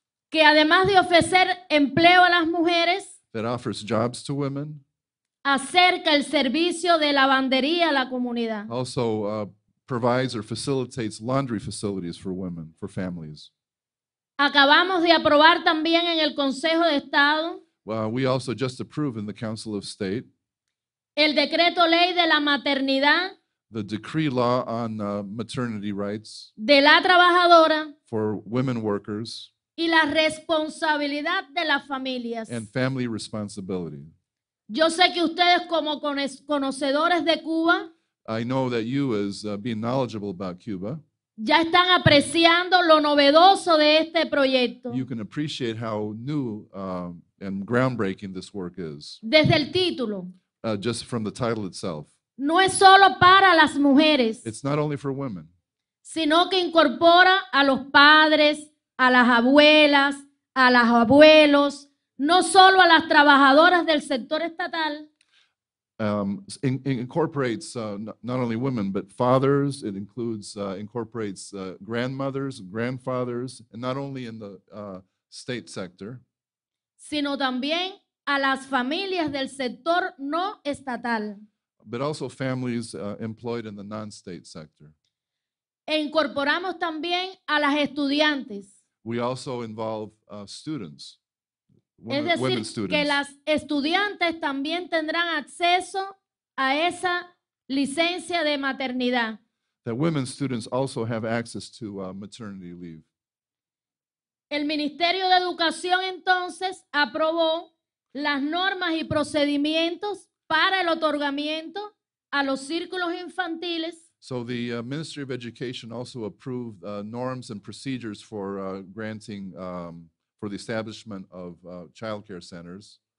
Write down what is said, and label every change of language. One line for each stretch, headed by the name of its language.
Spanish: Que además de ofrecer empleo a las mujeres,
English: that offers jobs to women.
Spanish: Acerca el servicio de lavandería a la comunidad.
English: Also provides or facilitates laundry facilities for women, for families.
Spanish: Acabamos de aprobar también en el Consejo de Estado.
English: Well, we also just approved in the Council of State.
Spanish: El decreto ley de la maternidad.
English: The decree law on maternity rights
Spanish: de la trabajadora
English: for women workers
Spanish: y la responsabilidad de las familias
English: and family responsibility.
Spanish: Yo sé que ustedes como conocedores de Cuba,
English: I know that you as being knowledgeable about Cuba,
Spanish: ya están apreciando lo novedoso de este proyecto.
English: You can appreciate how new and groundbreaking this work is.
Spanish: Desde el título.
English: Just from the title itself.
Spanish: No es solo para las mujeres.
English: It's not only for women.
Spanish: Sino que incorpora a los padres, a las abuelas, a los abuelos, no solo a las trabajadoras del sector estatal.
English: Incorporates not only women, but fathers. It includes, incorporates grandmothers, grandfathers, and not only in the state sector.
Spanish: Sino también a las familias del sector no estatal.
English: But also families employed in the non-state sector.
Spanish: E incorporamos también a las estudiantes.
English: We also involve students, women,
Spanish: es decir,
English: women students.
Spanish: Que las estudiantes también tendrán acceso a esa licencia de maternidad.
English: That women students also have access to maternity leave.
Spanish: El Ministerio de Educación entonces aprobó las normas y procedimientos para el otorgamiento a los círculos infantiles.
English: So the Ministry of Education also approved norms and procedures for granting, for the establishment of child care centers.